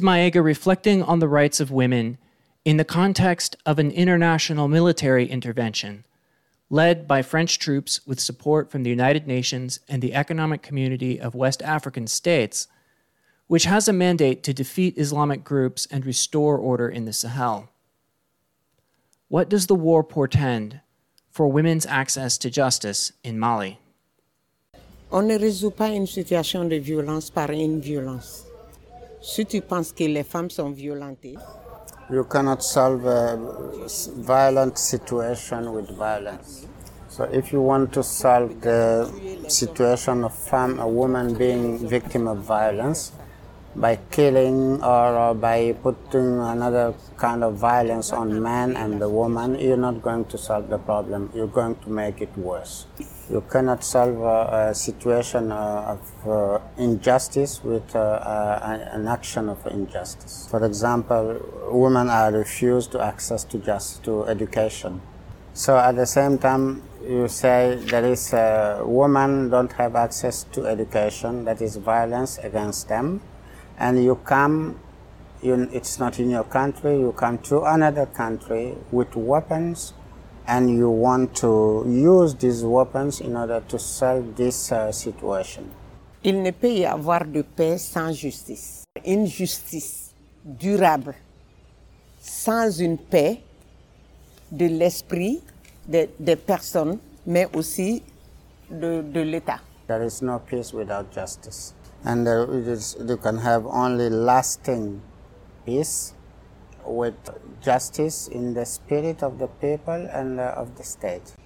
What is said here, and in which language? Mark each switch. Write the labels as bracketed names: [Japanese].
[English] Maiga reflecting on the rights of women in the context of an international military intervention led by French troops with support from the United Nations and the Economic Community of West African States, which has a mandate to defeat Islamic groups and restore order in the Sahel. What does the war portend for women's access to justice in Mali? [French] On ne résout pas une situation de violence par une violence. Si tu penses que les femmes sont violentées, [English] you cannot solve a violent situation with violence. So if you want to solve the situation of a woman being victim of violence, by killing or by putting another kind of violence on man and the woman, you're not going to solve the problem. You're going to make it worse. You cannot solve a situation of injustice with an action of injustice. For example, women are refused to access to just to education. So at the same time, you say there is a woman don't have access to education, that is violence against them. And you come, it's not in your country, you come to another country with weapons, and you want to use these weapons in order to solve this situation. [French] Il ne peut y avoir de paix sans justice. Une justice durable, sans une paix de l'esprit des personnes, mais aussi de l'État. [English] There is no peace without justice. And you can have only lasting peace with justice in the spirit of the people and of the state.